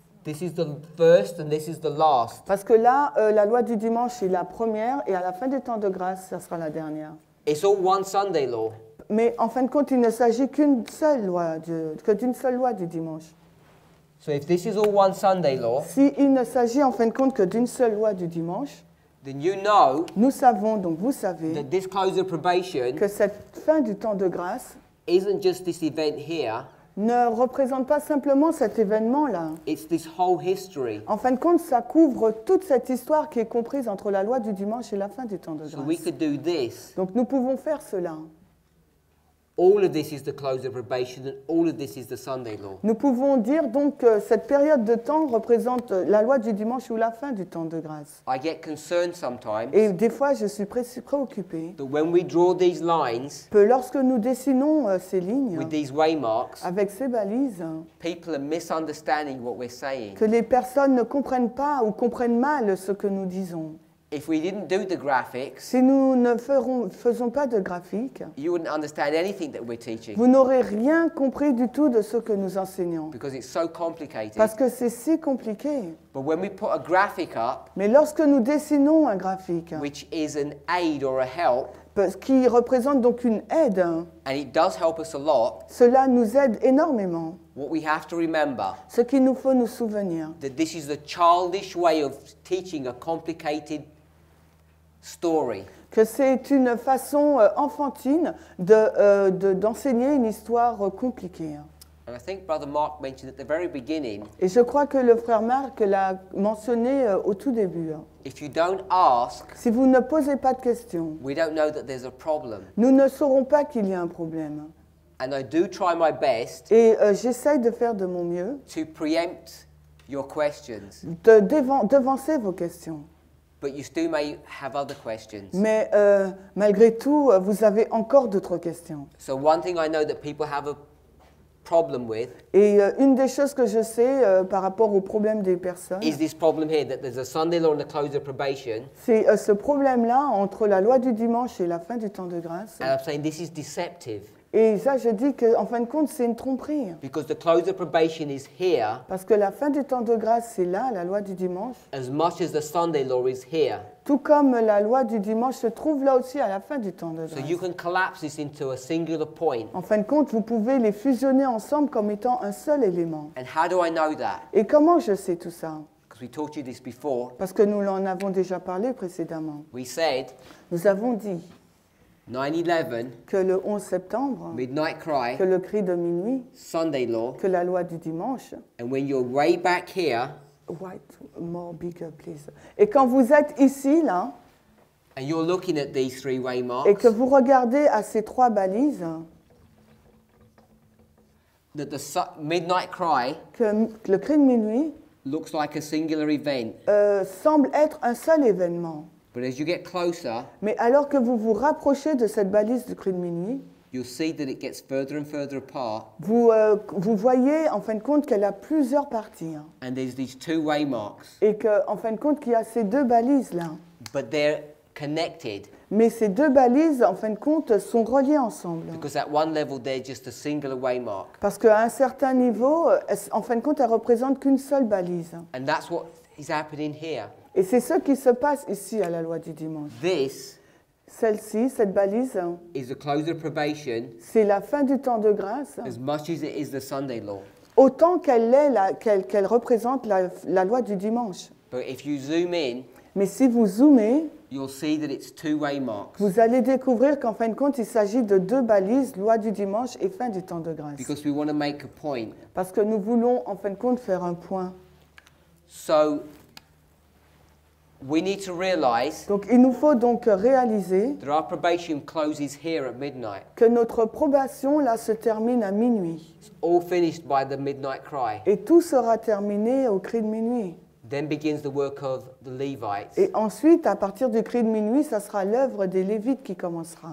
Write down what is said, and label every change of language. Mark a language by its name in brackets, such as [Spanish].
[English] This is the first and this is the last. [French] Parce que là, la loi du dimanche est la première et à la fin du temps de grâce, ça sera la dernière. [English] It's all one Sunday law. [French] Mais en fin de compte, il ne s'agit qu'une seule loi, que d'une seule loi du dimanche. [English] So if this is all one Sunday law, [French] si il ne s'agit en fin de compte que d'une seule loi du dimanche, [English] then you know, [French] nous savons, donc vous savez, [English] that this close of probation, [French] que cette fin du temps de grâce, [English] isn't just this event here, [French] ne représente pas simplement cet événement-là. [English] It's this whole history. [French] En fin de compte, ça couvre toute cette histoire qui est comprise entre la loi du dimanche et la fin du temps de grâce. [English] So we could do this. [French] Donc nous pouvons faire cela. [English] All of this is the close of probation and all of this is the Sunday law. [French] Nous pouvons dire donc que cette période de temps représente la loi du dimanche ou la fin du temps de grâce. [English] I get concerned sometimes. [French] Et des fois je suis préoccupé. [English] That when we draw these lines, [French] que lorsque nous dessinons ces lignes, [English] with these waymarks, [French] avec ces balises, [English] people are misunderstanding what we're saying. [French] Que les personnes ne comprennent pas ou comprennent mal ce que nous disons. [English] If we didn't do the graphics, [French] si nous ne faisons pas de graphique, [English] you wouldn't understand anything that we're teaching. [French] Vous n'aurez rien compris du tout de ce que nous enseignons. [English] Because it's so complicated. [French] Parce que c'est si compliqué. [English] But when we put a graphic up, [French] mais lorsque nous dessinons un graphique, [English] which is an aid or a help, [French] qui représente donc une aide, [English] and it does help us a lot, [French] cela nous aide énormément. [English] What we have to remember, [French] ce qu'il nous faut nous souvenir, [English] that this is a childish way of teaching a complicated story. [French] Que c'est une façon enfantine d'enseigner une histoire compliquée. [English] And I think Brother Mark mentioned at the very beginning, [French] et je crois que le frère Marc l'a mentionné au tout début. [English] If you don't ask, [French] si vous ne posez pas de questions, [English] we don't know that there's a problem. [French] Nous ne saurons pas qu'il y a un problème. [English] And I do try my best, [French] et j'essaie de faire de mon mieux, [English] to preempt your questions, [French] de devancer vos questions. [English] But you still may have other questions. [French] Mais malgré tout, vous avez encore d'autres questions. [English] So one thing I know that people have a problem with, [French] et une des choses que je sais par rapport au problème des personnes, [English] is this problem here, that there's a Sunday law and a close of probation, [French] c'est ce problème-là entre la loi du dimanche et la fin du temps de grâce. [English] And I'm saying this is deceptive. [French] Et ça, je dis qu'en fin de compte, c'est une tromperie. [English] Because the close of probation is here, [French] parce que la fin du temps de grâce, c'est là, la loi du dimanche. [English] As much as the Sunday law is here. [French] Tout comme la loi du dimanche se trouve là aussi à la fin du temps de grâce. [English] So you can collapse this into a singular point. [French] En fin de compte, vous pouvez les fusionner ensemble comme étant un seul élément. [English] And how do I know that? [French] Et comment je sais tout ça? [English] Because we taught you this before. [French] Parce que nous en avons déjà parlé précédemment. [English] We said, [French] nous avons dit [English] 9/11, [French] que le 11 septembre, [English] midnight cry, [French] que le cri de minuit, [English] Sunday law, [French] que la loi du dimanche, [English] and when you're way back here, white, more bigger, please. [French] Et quand vous êtes ici, là, [English] and you're looking at these three waymarks, [French] et que vous regardez à ces trois balises, [English] that the midnight cry, [French] que le cri de minuit, [English] looks like a singular event, [French] semble être un seul événement. [English] But as you get closer, [French] mais alors que vous vous rapprochez de cette balise du cri de minuit, [English] you'll see that it gets further and further apart. [French] Vous voyez en fin de compte qu'elle a plusieurs parties. Hein. [English] And there's these two waymarks. [French] Et que en fin de compte qu'il y a ces deux balises là. [English] But they're connected. [French] Mais ces deux balises en fin de compte sont reliées ensemble. [English] Because at one level they're just a singular waymark. [French] Parce qu'à un certain niveau, en fin de compte, elles représentent qu'une seule balise. [English] And that's what is happening here. [French] Et c'est ce qui se passe ici à la loi du dimanche. [English] This, [French] celle-ci, cette balise, [English] is the close of probation, [French] c'est la fin du temps de grâce. [English] As much as it is the Sunday law. [French] Autant qu'elle est qu'elle représente la loi du dimanche. [English] But if you zoom in, [French] mais si vous zoomez, [English] you'll see that it's two-way marks. [French] Vous allez découvrir qu'en fin de compte, il s'agit de deux balises, loi du dimanche et fin du temps de grâce. [English] Because we want to make a point. [French] Parce que nous voulons, en fin de compte, faire un point. [English] So, we need to realize, [French] donc il nous faut donc réaliser [English] that our probation closes here at midnight, [French] que notre probation là se termine à minuit. [English] It's all finished by the midnight cry. [French] Et tout sera terminé au cri de minuit. [English] Then begins the work of the Levites. [French] Et ensuite, à partir du cri de minuit, ça sera l'œuvre des Lévites qui commencera.